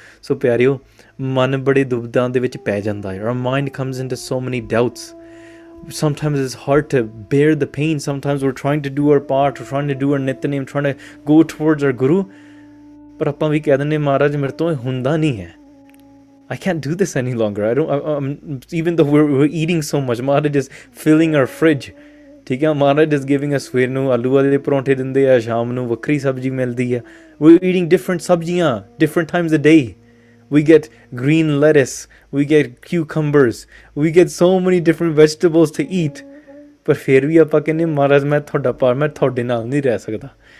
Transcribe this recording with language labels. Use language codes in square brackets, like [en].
[pa] ਸੋ ਪਿਆਰਿਓ, ਮਨ ਬੜੇ ਦੁਬਦਾਂ ਦੇ ਵਿੱਚ ਪੈ ਜਾਂਦਾ ਹੈ, [en] ਔਰ mind comes in to so many doubts, sometimes it's hard to bear the pain, sometimes we are trying to do our part, we are trying to do our nitnem, trying to go towards our guru, [pa] ਪਰ ਆਪਾਂ ਵੀ ਕਹਿ ਦਿੰਦੇ ਮਹਾਰਾਜ ਮੇਰੇ ਤੋਂ ਇਹ ਹੁੰਦਾ ਨਹੀਂ ਹੈ, [en] I can't do this any longer. Even though we're eating so much, Maharaj is filling our fridge. [pa] ਠੀਕ ਹੈ, [en] Maharaj is giving us [pa] ਸਵੇਰ ਨੂੰ ਆਲੂ ਵਾਲੇ ਪਰੌਂਠੇ ਦਿੰਦੇ ਆ, ਸ਼ਾਮ ਨੂੰ ਵੱਖਰੀ ਸਬਜ਼ੀ ਮਿਲਦੀ ਆ, [en] we eating different ਸਬਜ਼ੀਆਂ different times a day, we get green lettuce, we get cucumbers, we get so many different vegetables to eat, [pa] ਪਰ ਫਿਰ ਵੀ ਆਪਾਂ ਕਹਿੰਦੇ ਮਹਾਰਾਜ ਮੈਂ ਤੁਹਾਡਾ ਪਾਰ, ਮੈਂ ਤੁਹਾਡੇ ਨਾਲ ਨਹੀਂ ਰਹਿ ਸਕਦਾ।